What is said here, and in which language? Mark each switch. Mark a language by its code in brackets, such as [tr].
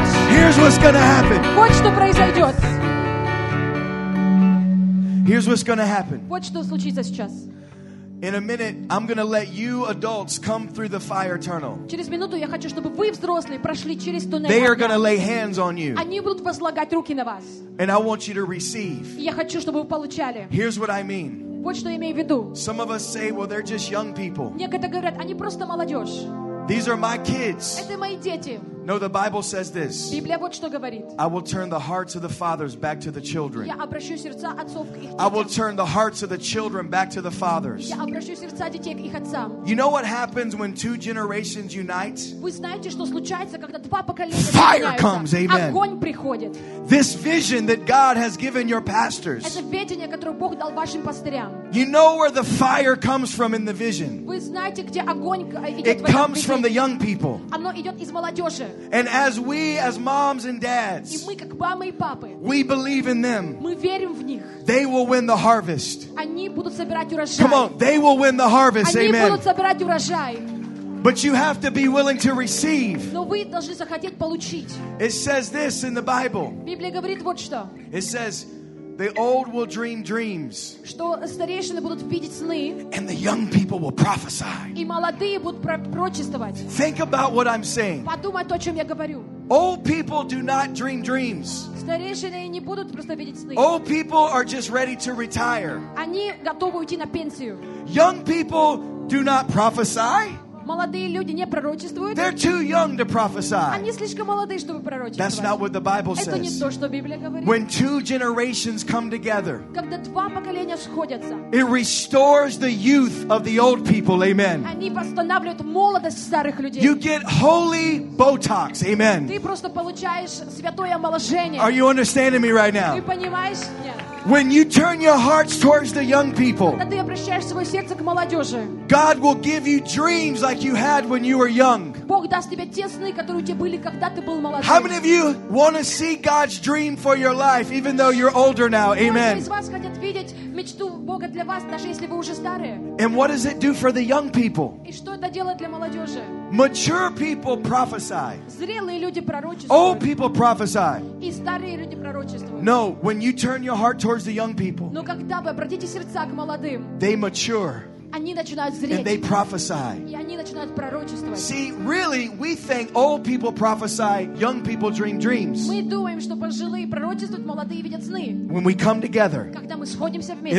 [en] Here's what's going to happen. In a minute, I'm going to let you adults come through the fire tunnel. [ru] Через минуту я хочу, чтобы вы взрослые прошли через туннель. [en] They are going to lay hands on you. [ru] Они будут возлагать руки на вас. [en] And I want you to receive. [ru] Я хочу, чтобы вы получали. [en] Here's what I mean. [ru] Вот что я имею в виду. [en] Some of us say, well, they're just young people. [ru] Некоторые говорят, они просто молодежь. [en] These are my kids. [ru] Это мои дети. [en] No, the Bible says this. [ru] Библия вот что говорит. [en] I will turn the hearts of the fathers back to the children. [ru] Я обращу сердца отцов к их детям. [en] I will turn the hearts of the children back to the fathers. [ru] Я обращу сердца детей к их отцам. [en] You know what happens when two generations unite? [ru] Вы знаете, что случается, когда два поколения соединяются? [en] Fire comes, amen. [ru] Огонь приходит. [en] This vision that God has given your pastors. [ru] Это видение, которое Бог дал вашим пастырям. [en] You know where the fire comes from in the vision? [ru] Вы знаете, где огонь идет в этом видении? [en] It comes from the young people. [ru] Оно идет из молодежи. [en] And as we, as moms and dads, [ru] и мы, как мамы и папы, [en] we believe in them. [ru] Мы верим в них. [en] They will win the harvest. [ru] Они будут собирать урожай. [en] Come on, they will win the harvest. [ru] Они [en] Amen. [ru] Будут собирать урожай. [en] But you have to be willing to receive. [ru] Но вы должны захотеть получить. [en] It says this in the Bible. [ru] Библия говорит вот что. [en] It says, the old will dream dreams. [ru] Что старейшины будут видеть сны. [en] And the young people will prophesy. [ru] И молодые будут пророчествовать. [en] Think about what I'm saying. [ru] Подумай, о чем я говорю. [en] Old people do not dream dreams. [ru] Старейшины не будут просто видеть сны. [en] Old people are just ready to retire. [ru] Они готовы уйти на пенсию. [en] Young people do not prophesy. [ru] Молодые люди не пророчествуют. [en] They're too young to prophesy. [ru] Они слишком молоды, чтобы пророчествовать. [en] That's not what the Bible says. [ru] Это не то, что Библия говорит. [en] When two generations come together, [ru] когда два поколения сходятся, [en] it restores the youth of the old people. Amen. [ru] Они восстанавливают молодость старых людей. [en] You get holy Botox. Amen. [ru] Ты просто получаешь святое омоложение. [en] Are you understanding me right now? [ru] Ты понимаешь меня? [en] When you turn your hearts towards the young people, [ru] когда ты обращаешь свое сердце к молодежи, [en] God will give you dreams like you had when you were young. [ru] Бог даст тебе те сны, которые у тебя были, когда ты был молодым. [en] How many of you want to see God's dream for your life, even though you're older now? Amen. [ru] Многие из вас хотят видеть мечту Бога для вас, даже если вы уже старые. [en] And what does it do for the young people? [ru] И что это делает для молодежи? [en] Mature people prophesy. [ru] Зрелые люди пророчествуют. [en] Old people prophesy. [ru] И старые люди пророчествуют. [en] No, when you turn your heart towards the young people, [ru] но когда вы обратите сердца к молодым, [en] they mature. [ru] Они начинают зреть. [en] And they prophesy. [ru] И они начинают пророчествовать. [en] See, really, we think old people prophesy, young people dream dreams. [ru] Мы думаем, что пожилые пророчествуют, молодые видят сны. [en] When we come together, [ru] когда мы сходимся вместе,